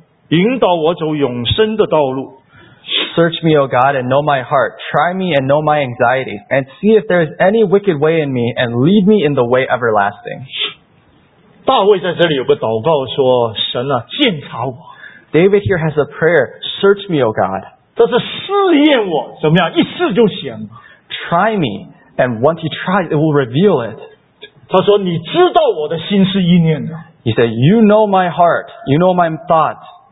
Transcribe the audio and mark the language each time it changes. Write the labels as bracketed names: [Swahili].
[Chinese] 神啊,求你鉴察我,知道我的心思,试炼我,知道我的意念,看在我里面有什么恶行没有,引导我走永生的道路。 [English] Search me, O God, and know my heart. Try me and know my anxiety. And see if there is any wicked way in me, and lead me in the way everlasting. [Chinese] 大卫在这里有个祷告说,神啊,鉴察我。 [English] David here has a prayer, search me, O God. [Chinese] 这是试验我,怎么样,一试就显。Try [English] me, and once he tries, it will reveal it. [Chinese] 他说,你知道我的心思意念的。He [English] said, you know my heart, you know my thoughts.